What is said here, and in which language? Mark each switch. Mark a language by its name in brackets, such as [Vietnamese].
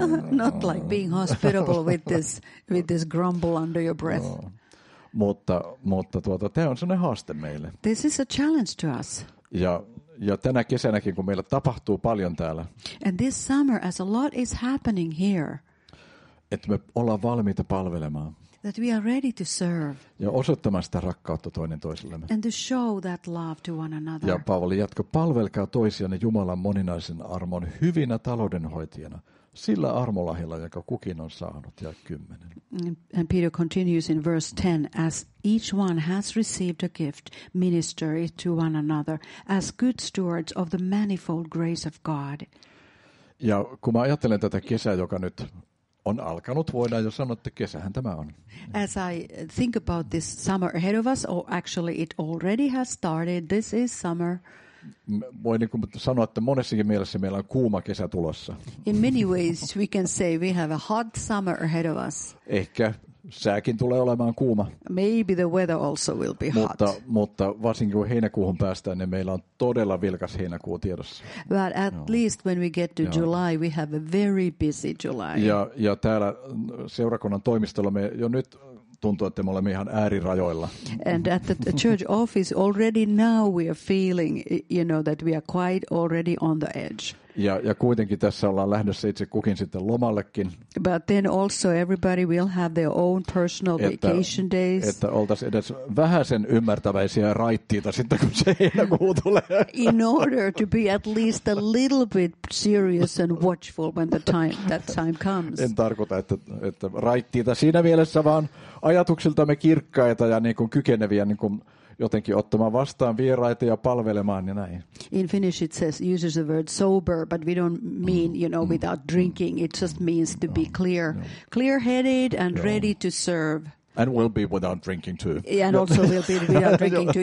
[English] Not like being hospitable with this grumble under your breath. No. [Finnish] Mutta tämä on sellainen haaste meille. [English] This is a challenge to us. [Finnish] Ja tänä kesänäkin, kun meillä tapahtuu paljon täällä. [English] And this summer, as a lot is happening here. [Finnish] Että me ollaan valmiita palvelemaan. [English] That we are ready to serve. [Finnish] Ja osoittamaan sitä rakkautta toinen toisillemme. [English] And to show that love to one another. [Finnish] Ja Paavali jatko, palvelkaa toisianne Jumalan moninaisen armon hyvinä taloudenhoitajana, sillä armolahjalla, jonka kukin on saanut, ja 10. [English] And Peter continues in verse 10, as each one has received a gift, minister it to one another, as good stewards of the manifold grace of God. [Finnish] Ja kun mä ajattelen tätä kesää, joka nyt on alkanut, voidaan jo sanoa, että kesähän tämä on. [English] As I think about this summer ahead of us, or actually it already has started, this is summer. [Finnish] Voi niin kuin sanoa, että monessakin mielessä meillä on kuuma kesä tulossa. [English] In many ways we can say we have a hot summer ahead of us. [Finnish] Ehkä sääkin tulee olemaan kuuma. [English] Maybe the weather also will be hot. [Finnish] Mutta varsinkin kun heinäkuuhun päästään, niin meillä on todella vilkas heinäkuu tiedossa. [English] But at least when we get to July, we have a very busy July. [Finnish] Ja täällä seurakunnan toimistolla me jo nyt tuntuu, että me olemme ihan äärirajoilla. [English] And at the church office already now we are feeling, you know, that we are quite already on the edge. [Finnish] Ja kuitenkin tässä ollaan lähdössä itse kukin sitten lomallekin. [English] But then also everybody will have their own personal vacation days. [Finnish] Että oltaisiin edes vähäsen ymmärtäväisiä raittiita sitten, kun se heinäkuu tulee. [English] In order to be at least a little bit serious and watchful when that time comes. [Finnish] En tarkoita, että raittiita siinä mielessä, vaan ajatuksiltamme kirkkaita ja niin kuin kykeneviä niin kuin jotenkin ottamaan vastaan vieraita ja palvelemaan ja näin. [English] In Finnish it says uses the word sober, but we don't mean, you know, without drinking. It just means to be clear. Clear-headed and ready to serve. And we'll be without drinking too. And also we'll be without drinking too.